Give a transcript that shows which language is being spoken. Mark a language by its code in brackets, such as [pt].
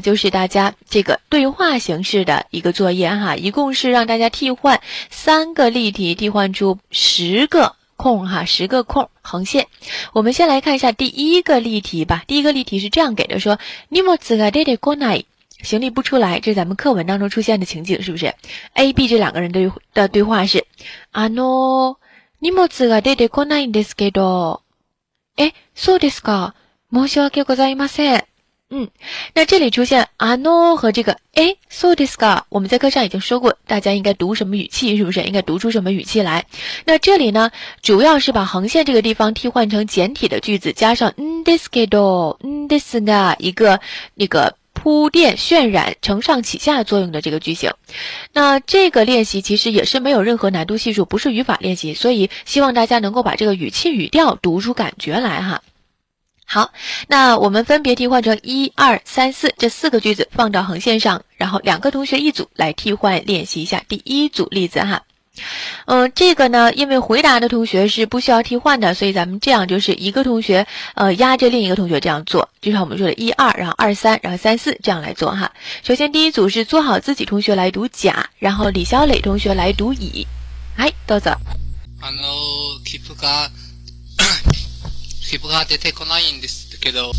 [zh] 就是大家这个对话形式的一个作业哈，一共是让大家替换三个例题，替换出十个空哈，十个空横线。我们先来看一下第一个例题吧。第一个例题是这样给的，说 [ja] 荷物が出てこない， [zh] 行李不出来，这是咱们课文当中出现的情景，是不是 ？A、B 这两个人的对话是， [ja] 荷物が出てこないんですけど。え、そうですか。申し訳ございません。 [zh] 嗯，那这里出现あの和这个 [ja] え、そうですか。 [zh] 我们在课上已经说过，大家应该读什么语气，是不是？应该读出什么语气来？那这里呢，主要是把横线这个地方替换成简体的句子，加上 [ja] んですけど、んですが， [zh] 一个那个铺垫、渲染、承上启下作用的这个句型。那这个练习其实也是没有任何难度系数，不是语法练习，所以希望大家能够把这个语气语调读出感觉来哈。好，那我们分别替换成一、二、三、四这四个句子放到横线上，然后两个同学一组来替换练习一下第一组例子哈。这个呢，因为回答的同学是不需要替换的，所以咱们这样就是一个同学压着另一个同学这样做，就像我们说的一二，然后二三，然后三四这样来做哈。首先第一组是做好自己同学来读甲，然后李小磊同学来读乙。哎，豆子。 [ja] あの、切符が出てこないんですけど。